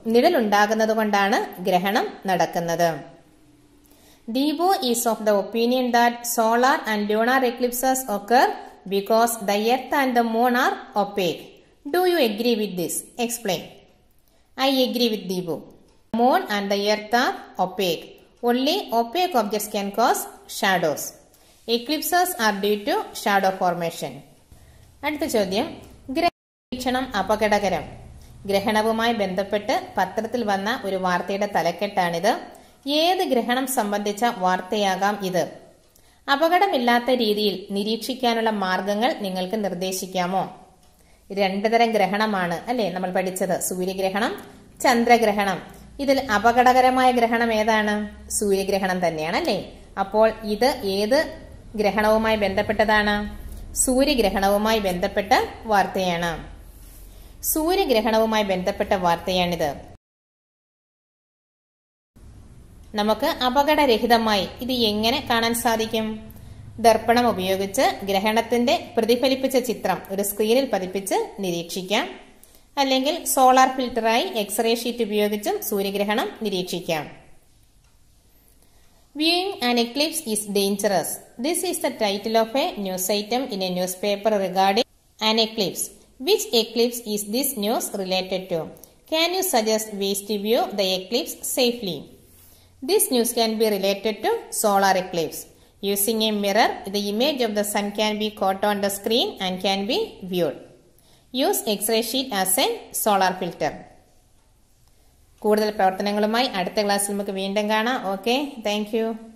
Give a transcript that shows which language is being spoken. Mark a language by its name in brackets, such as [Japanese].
[Malayalam] നിഴലുണ്ടാകുന്നത് കൊണ്ടാണ് ഗ്രഹണം നടക്കുന്നത്. [English] Deepu is of the opinion that solar and lunar eclipses occur because the earth and the moon are opaque. Do you agree with this? Explain. I agree with Deepu. Moon and the earth are opaque. Only opaque objects can cause shadows. Eclipses are due to shadow formation. [Malayalam] അടുത്ത ചോദ്യം, ഗ്രഹണീക്ഷണം അപകടകരം. ഗ്രഹണവുമായി ബന്ധപ്പെട്ട് പത്രത്തിൽ വന്ന ഒരു വാർത്തയുടെ തലക്കെട്ടാണിത്. ഏത് ഗ്രഹണം സംബന്ധിച്ച വാർത്തയാകാം ഇത്? അപകടമില്ലാത്ത രീതിയിൽ നിരീക്ഷിക്കാനുള്ള മാർഗങ്ങൾ നിങ്ങൾക്ക് നിർദ്ദേശിക്കാമോ? രണ്ടു തരം ഗ്രഹണമാണ് അല്ലെ നമ്മൾ പഠിച്ചത്, സൂര്യഗ്രഹണം, ചന്ദ്രഗ്രഹണം. ഇതിൽ അപകടകരമായ ഗ്രഹണം ഏതാണ്? സൂര്യഗ്രഹണം തന്നെയാണ് അല്ലേ. അപ്പോൾ ഇത് ഏത് ഗ്രഹണവുമായി ബന്ധപ്പെട്ടതാണ്? സൂര്യഗ്രഹണവുമായി ബന്ധപ്പെട്ട വാർത്തയാണ്. സൂര്യഗ്രഹണവുമായി ബന്ധപ്പെട്ട വാർത്തയാണിത്. നമുക്ക് അപകടരഹിതമായി ഇത് എങ്ങനെ കാണാൻ സാധിക്കും? ദർപ്പണം ഉപയോഗിച്ച് ഗ്രഹണത്തിന്റെ പ്രതിഫലിപ്പിച്ച ചിത്രം ഒരു സ്ക്രീനിൽ പതിപ്പിച്ച് നിരീക്ഷിക്കാം. അല്ലെങ്കിൽ സോളാർ ഫിൽറ്ററായി എക്സ്റേ ഷീറ്റ് ഉപയോഗിച്ചും സൂര്യഗ്രഹണം നിരീക്ഷിക്കാം. [English] Viewing an eclipse is dangerous. This is the title of a news item in a newspaper regarding an eclipse. Which eclipse is this news related to? Can you suggest ways to view the eclipse safely? This news can be related to solar eclipse. Using a mirror, the image of the sun can be caught on the screen and can be viewed. Use X-ray sheet as a solar filter. [Malayalam] കൂടുതൽ പ്രവർത്തനങ്ങളുമായി അടുത്ത ക്ലാസ്സിൽ നമുക്ക് വീണ്ടും കാണാം. [English] Okay, thank you.